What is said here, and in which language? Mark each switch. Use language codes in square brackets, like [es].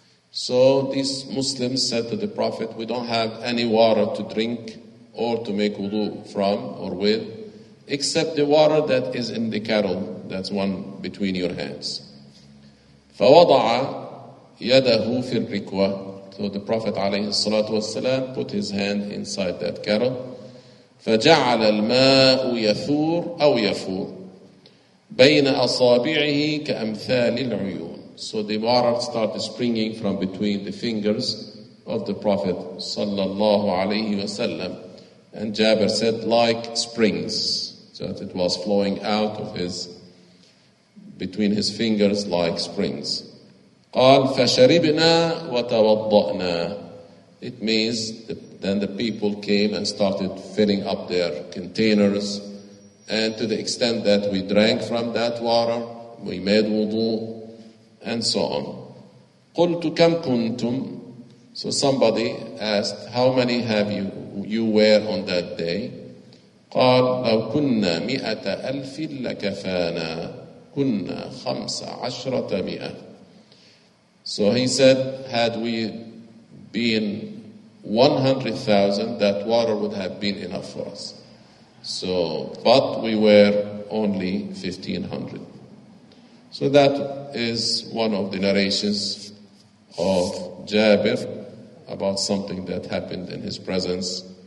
[en] So these Muslims said to the Prophet, we don't have any water to drink or to make wudu from or with, except the water that is in the kettle, that's one between your hands. [ar] فوضع يده في الركوة. [en] So the Prophet [ar] عليه الصلاة والسلام [en] put his hand inside that kettle. [ar] فجعل الماء يثور أو يفور بين أصابعه كأمثال العيون. [en] So the water started springing from between the fingers of the Prophet [ar] صلى الله عليه وسلم. [en] And Jabir said, like springs, so that it was flowing out of his, between his fingers like springs. [ar] قال فشربنا وتوضأنا. [en] It means that then the people came and started filling up their containers, and to the extent that we drank from that water, we made wudu, and so on. [ar] قلت كم كنتم. [en] So somebody asked, how many have you were on that day? [ar] قال لو كنا مئة ألف لكفانا. كنا خمسة عشرة مئة. [en] So he said, had we been 100,000, that water would have been enough for us. So, but we were only 1,500. So that is one of the narrations of Jabir about something that happened in his presence.